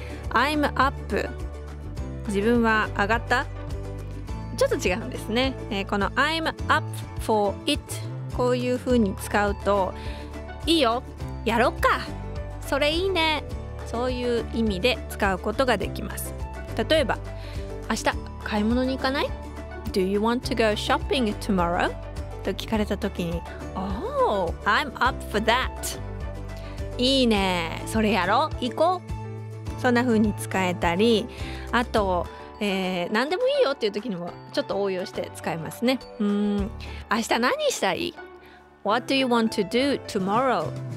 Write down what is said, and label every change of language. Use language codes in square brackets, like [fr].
[en] I'm up、 [ja] 自分は上がった、ちょっと違うんですね。この [en] I'm up for it、 [ja] こういう風に使うと、いいよ、やろっか、それいいね、そういう意味で使うことができます。例えば、明日買い物に行かない？ [en] Do you want to go shopping tomorrow? [ja] と聞かれた時に、 [en] Oh, I'm up for that. [ja] いいね、それやろ、行こう、そんな風に使えたり、あと、何でもいいよっていう時にもちょっと応用して使えますね。明日何したい？ [en] What do you want to do tomorrow?